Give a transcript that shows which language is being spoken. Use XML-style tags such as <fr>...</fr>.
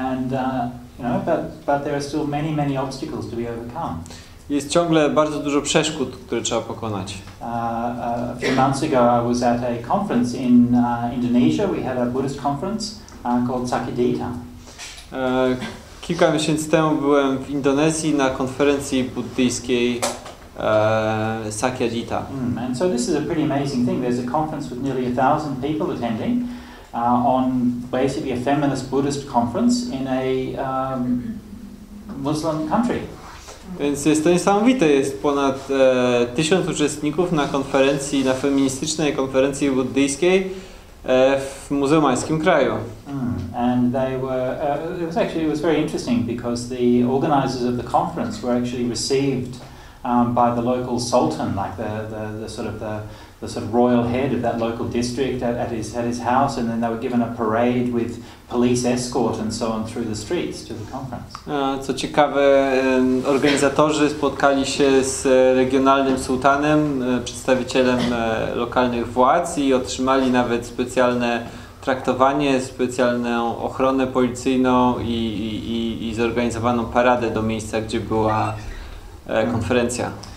<en>But there are still many obstacles to be overcome.</en> <pl>Jest ciągle bardzo dużo przeszkód, które trzeba pokonać.</pl> <en>A few months ago I was at a conference in Indonesia. We had a Buddhist conference called Sakyadita.</en> <pl>Kilka miesięcy temu byłem w Indonezji na konferencji buddyjskiej Sakyadita.</pl> <en>And so this is a pretty amazing thing. There's a conference with nearly 1,000 people attending on basically a feminist Buddhist conference in a Muslim country.</en> <pl>Więc jest to niesamowite, jest ponad 1000 uczestników na konferencji, na feministycznej konferencji buddyjskiej w muzułmańskim kraju.</pl> <en>And they were it was very interesting because the organizers of the conference were actually received by the local sultan, like the sort of royal head of that local district at his house, and then they were given a parade with police escort and so on through the streets to the conference.</en> <pl>Co ciekawe, organizatorzy spotkali się z regionalnym sułtanem, przedstawicielem lokalnych władz i otrzymali nawet specjalne traktowanie, specjalną ochronę policyjną i zorganizowaną paradę do miejsca, gdzie była konferencja.</pl>